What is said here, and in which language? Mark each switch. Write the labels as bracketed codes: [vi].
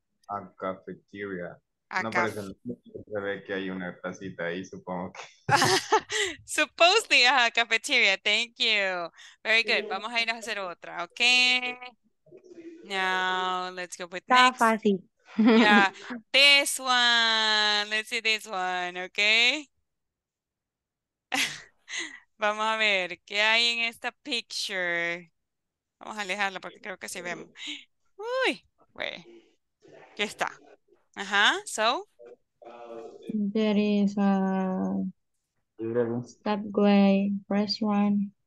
[en] A cafeteria. [es] No, parece que hay una tacita ahí, supongo que. [en] Supposedly, a cafeteria, thank you. Very good, [es] vamos a ir a hacer otra, ok. [en] Now, let's go with next. [es] Está fácil. [en] Yeah, this one, let's see this one, ok. [es] Vamos a ver, ¿qué hay en esta picture? Vamos a alejarla porque creo que sí vemos. Uy, güey, ¿qué está? Ajá, so [en] there is a subway restaurant.